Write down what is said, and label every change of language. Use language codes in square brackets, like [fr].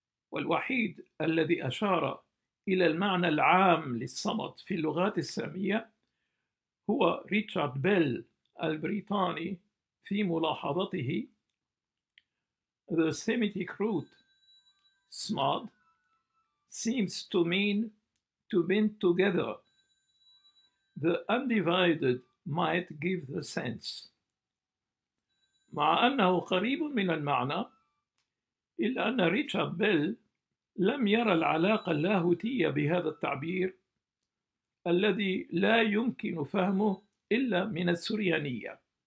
[ar] والوحيد الذي أشار إلى المعنى العام للصمد في اللغات السامية هو ريتشارد بيل البريطاني في ملاحظته: [en] The Semitic root Smart seems to mean to bind together. The undivided might give the sense. [ar] مع أنه قريب من المعنى، إلا أن ريتشارد بيل لم يرى العلاقة اللاهوتية بهذا التعبير الذي لا يمكن فهمه إلا من السريانية.